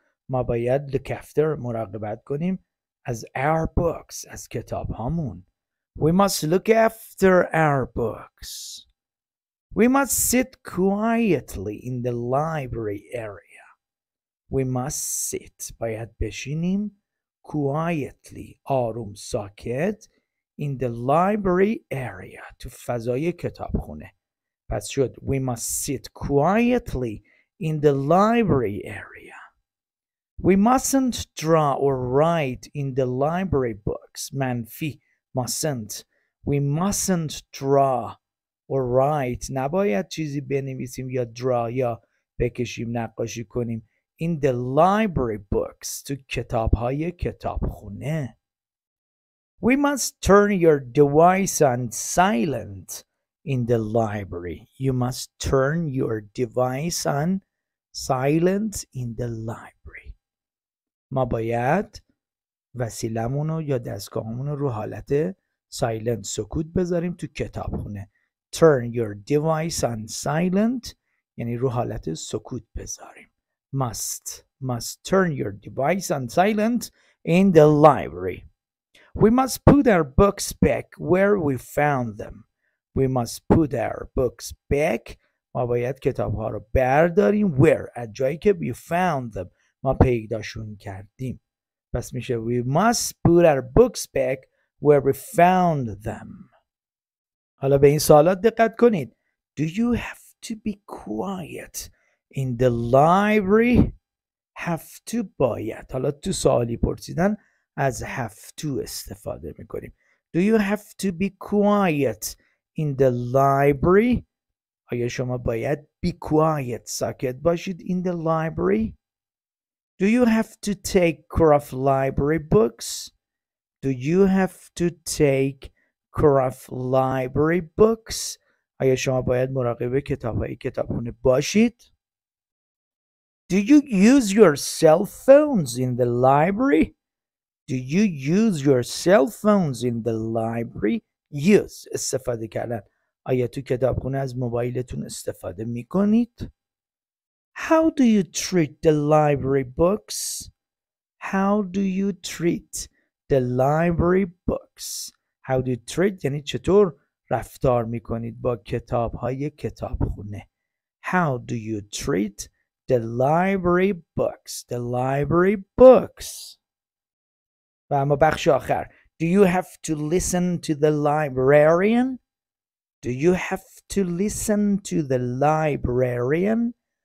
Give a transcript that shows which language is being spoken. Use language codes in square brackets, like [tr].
[fa] ما باید [en] look after [fa] مراقبت کنیم از [en] our books [fa] از کتاب هامون. [en] We must look after our books. We must sit quietly in the library area. We must sit. [fa] باید بشینیم [en] quietly [fa] آروم ساکت [en] in the library area [fa] تو فضای کتابخونه. پس شد [en] we must sit quietly in the library area. We mustn't draw or write in the library books. منفی mustn't. We mustn't draw or write. [fa] نباید چیزی بنویسیم یا درا یا بکشیم نقاشی کنیم [en] in the library books [fa] تو کتاب‌های کتابخونه. [en] We must turn your device on silent in the library. You must turn your device on silent in the library. [fa] ما باید وسیله‌مون رو یا دستگاهمون رو حالت [en] silent [fa] سکوت بذاریم تو کتابخونه. [en] Turn your device on silent [fa] یعنی رو حالت سکوت بذاریم. [en] Must turn your device on silent in the library. We must put our books back where we found them. We must put our books back [fa] ما باید کتاب ها رو برداریم [en] where [fa] از جایی که [en] we found them [fa] ما پیداشون کردیم. پس میشه [en] we must put our books back where we found them. [fa] حالا به این سوالات دقت کنید. [en] Do you have to be quiet in the library? Have to باید. [fa] حالا تو سوالی پرسیدن از have to استفاده میکنیم. [en] Do you have to be quiet in the library? [fa] آیا شما باید [en] be quiet [fa] ساکت باشید [en] in the library? Do you have to take craft library books? Do you have to take craft library books? [fa] آیا شما باید مراقب کتاب‌های کتابخانه باشید? [en] Do you use your cell phones in the library? Do you use your cell phones in the library? [fa] Use استفاده کردن. آیا تو کتابخونه از موبایلتون استفاده میکنید؟ [en] How do you treat the library books? How do you treat the library books? How do you treat [fa] یعنی چطور رفتار میکنید با کتابهای کتابخونه؟ [en] How do you treat the library books? The library books. [fa] و اما بخش آخر. [en] Do you have to listen to the librarian? Do you have to listen to the librarian?